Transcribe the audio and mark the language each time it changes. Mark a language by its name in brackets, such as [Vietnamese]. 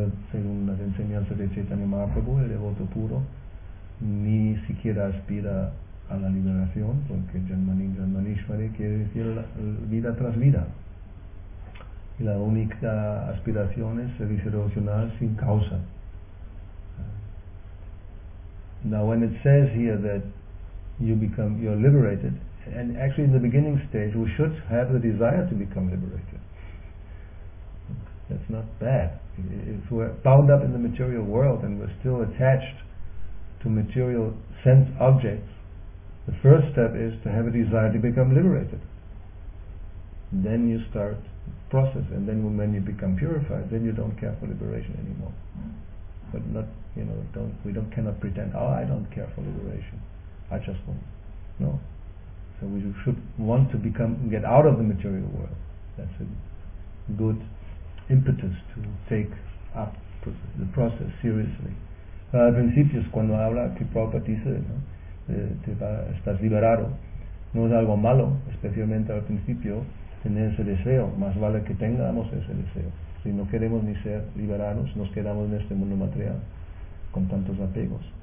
[Spanish] Según las enseñanzas de Chaitanya Mahaprabhu, el devoto puro ni siquiera aspira a la liberación, porque Janmani Janmanishvare quiere decir vida tras vida. Y la única aspiración es servicio devocional sin causa. [English] Now when it says here that you're liberated, and actually in the beginning stage we should have the desire to become liberated. That's not bad. If we're bound up in the material world and we're still attached to material sense objects, the first step is to have a desire to become liberated. Then you start the process, and then when you become purified, then you don't care for liberation anymore. But not, you know, cannot pretend, oh, I don't care for liberation. I just want. No. So we should want to get out of the material world. That's a good impetus to take up the process seriously. [Spanish] Al principio es cuando habla que Prabhupada dice, ¿no? Estás liberado. No es algo malo, especialmente al principio, tener ese deseo. Más vale que tengamos ese deseo. Si no queremos ni ser liberados, nos quedamos en este mundo material con tantos apegos.